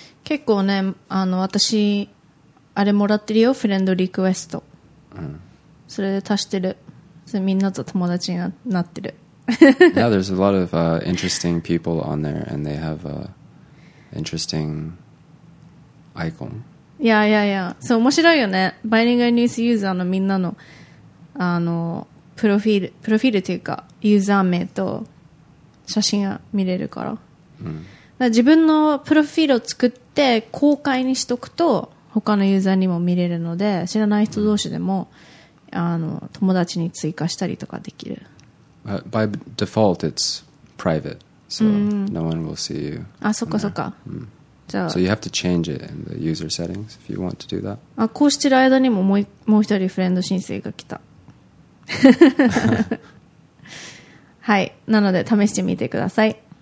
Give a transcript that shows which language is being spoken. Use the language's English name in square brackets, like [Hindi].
[Japanese] 結構ね、あの、私、あれもらってるよ、フレンドリクエスト。それで足してる。それみんなと友達になってる。 [English] Yeah, there's a lot of interesting people on there, and they have a... Interesting icon. Yeah, yeah, yeah. So, [Japanese] 面白いよね。バイリンガルニュースユーザーのみんなの、あの、プロフィールというか、ユーザー名と写真が見れるから。だから自分のプロフィールを作って公開にしとくと、他のユーザーにも見れるので、知らない人同士でも、あの、友達に追加したりとかできる。 [English] By default, it's private. So no one will see you. [Japanese] あ、そっかそっか。じゃあ。 [English] So you have to change it in the user settings if you want to do that. [Japanese] あ、こうしてる間にももう、もう一人フレンド申請が来た。はい。なので試してみてください。